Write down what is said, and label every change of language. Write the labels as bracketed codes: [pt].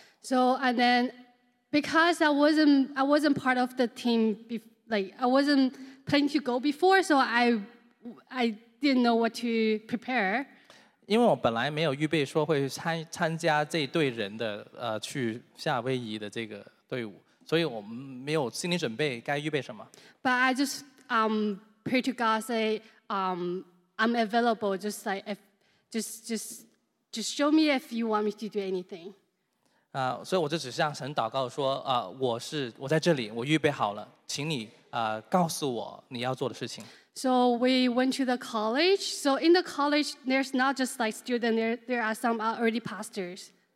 [en] So and then because I wasn't part of the team, I wasn't planning to go before, so I didn't know what to prepare. [zh] 因为我本来没有预备说会参加这队人的去夏威夷的这个队伍，所以我们没有心理准备该预备什么。 [en] But I just pray to God, say I'm available. Just like if just show me if you want me to do anything. [zh] 所以我就只向神祷告说，我在这里，我预备好了，请你告诉我你要做的事情。 [en] So we went to the college. So in the college, there's not just like students, there are some already pastors.